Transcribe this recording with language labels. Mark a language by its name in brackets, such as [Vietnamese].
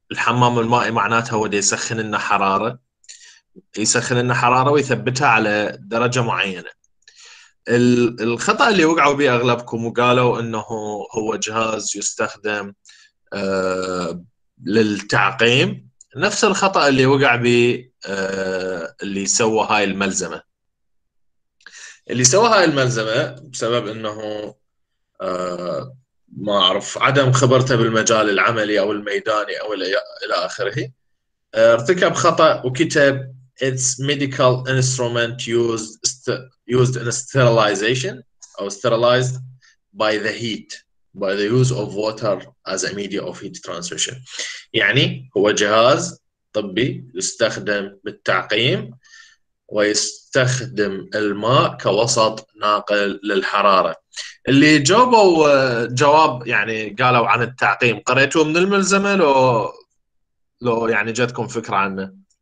[Arabic] الحمام المائي معناته هو دي يسخن لنا حرارة، يسخن لنا حرارة ويثبتها على درجة معينة. الخطأ اللي وقعوا بيه أغلبكم وقالوا إنه هو جهاز يستخدم للتعقيم، نفس الخطأ اللي وقع بيه اللي سوى هاي الملزمة. اللي سوى هاي الملزمة بسبب إنه ما أعرف عدم خبرته بالمجال العملي أو الميداني أو إلى آخره، ارتكب خطأ وكتب [English] It's medical instrument used in sterilization or sterilized by the heat by the use of water as a media of heat transmission. [Arabic] يعني هو جهاز طبي يستخدم بالتعقيم ويستخدم الماء كوسط ناقل للحرارة. اللي جاوبوا جواب يعني قالوا عن التعقيم، قريتوه من الملزمة لو يعني جاتكم فكرة عنه